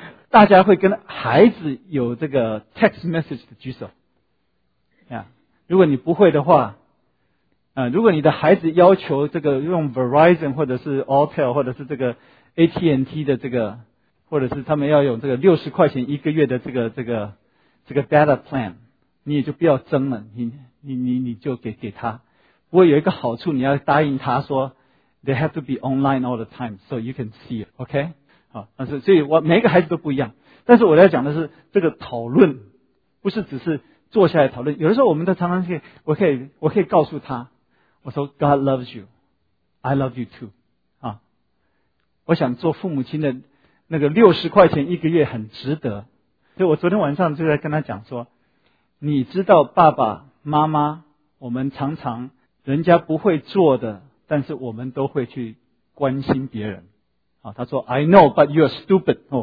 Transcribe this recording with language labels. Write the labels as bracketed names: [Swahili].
[Chinese] 大家会跟孩子有这个 text message 的举手，如果你不会的话，如果你的孩子要求这个用 Verizon 或者是 Altel 或者是这个 AT&T 的这个，或者是他们要用这个60块钱一个月的这个 data plan， 你也就不要争了，你就给他。不过有一个好处，你要答应他说 [English] ，they have to be online all the time so you can see it，OK？、Okay? [Chinese] 好，所以我每一个孩子都不一样。但是我要讲的是，这个讨论不是只是坐下来讨论。有的时候我们都常常可以，我可以告诉他，我说 [English] God loves you， I love you too。 [Chinese] 啊，我想做父母亲的那个60块钱一个月很值得。所以我昨天晚上就在跟他讲说，你知道爸爸妈妈，我们常常人家不会做的，但是我们都会去关心别人。啊，他说 [English] I know but you're stupid。